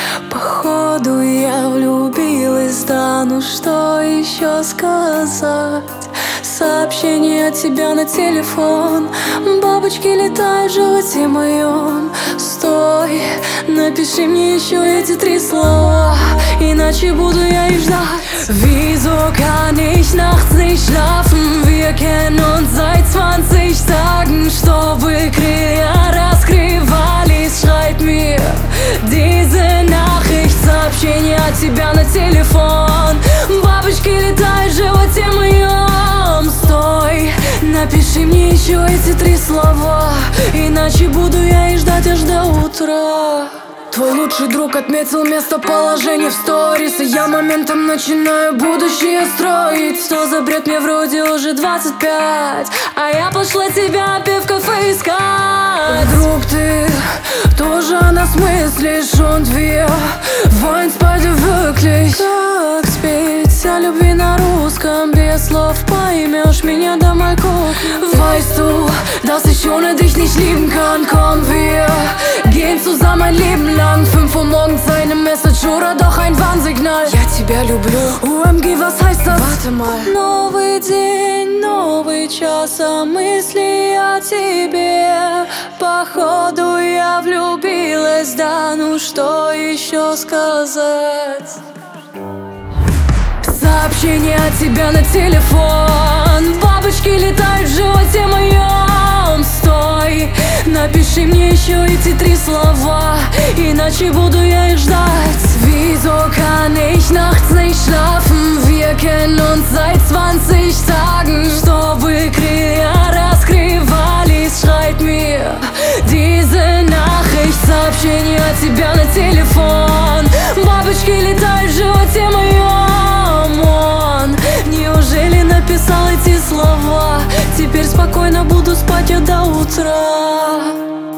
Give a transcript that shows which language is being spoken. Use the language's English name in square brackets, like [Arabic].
[Russian] Походу я влюбилась, да, ну что еще сказать? Сообщение от тебя на телефон, бабочки летают в животе моем. Стой, напиши мне еще эти три слова, иначе буду я их ждать. [German] Wieso kann ich nachts nicht schlafen? Wir kennen uns seit 20 Tagen. [Russian] Чтобы крылья раскрывались, [German] schreib mir diese Nachricht. [Russian] Сообщение от тебя на телефон, бабочки летают в животе моем. Стой, напиши мне еще эти три слова, иначе буду я и ждать аж до утра. Твой лучший друг отметил местоположение в сторис, и я моментом начинаю будущее строить. Что за бред, мне вроде уже 25, а я пошла тебя в кафе искать. Друг, ты тоже о нас мыслишь, [German] und wir wollen beide wirklich. [Russian] Как спеть о любви на русском, без слов поймешь меня до моей кухни. [German] Weißt du, dass ich ohne dich nicht lieben kann, komm wir. Gehen zusammen ein Leben lang. 5 Uhr morgens eine Message oder doch ein Warnsignal. [Russian] Я тебя люблю. [German] OMG, was heißt das? Warte mal. [Russian] Новый день, новый час, а мысли о тебе. Походу я влюбилась, да, ну что еще сказать? Сообщение от тебя на телефон, бабочки летают в животе моем. Стой, напиши мне еще эти три слова, иначе буду я их ждать. [German] Wieso kann ich nachts nicht schlafen? Wir kennen uns seit 20 Tagen. Чтобы крылья раскрывались, schreib mir diese Nachricht. [Russian] Сообщение от тебя на телефон, бабочки летают в животе моем. Он неужели написал эти слова? Теперь спокойно буду спать я до утра. Oh,